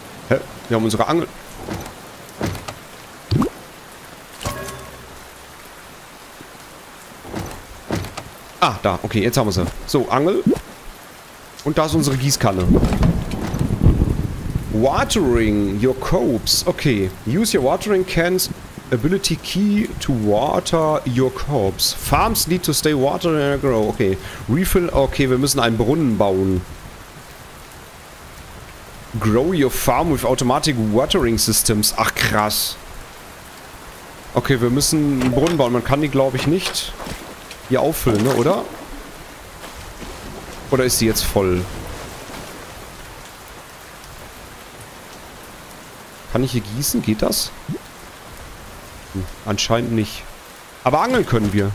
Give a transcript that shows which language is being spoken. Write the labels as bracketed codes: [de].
[de] Hä? Wir haben unsere Angel... Ah, da. Okay, jetzt haben wir sie. So, Angel. Und da ist unsere Gießkanne. [en] Watering your corpse. Okay. Use your watering cans ability key to water your corpse. Farms need to stay watered and grow. Okay. Refill. [de] Okay, wir müssen einen Brunnen bauen. [en] Grow your farm with automatic watering systems. [de] Ach, krass. Okay, wir müssen einen Brunnen bauen. Man kann die, glaube ich, nicht hier auffüllen, ne, oder? Oder ist sie jetzt voll? Kann ich hier gießen? Geht das? Hm, anscheinend nicht. Aber angeln können wir.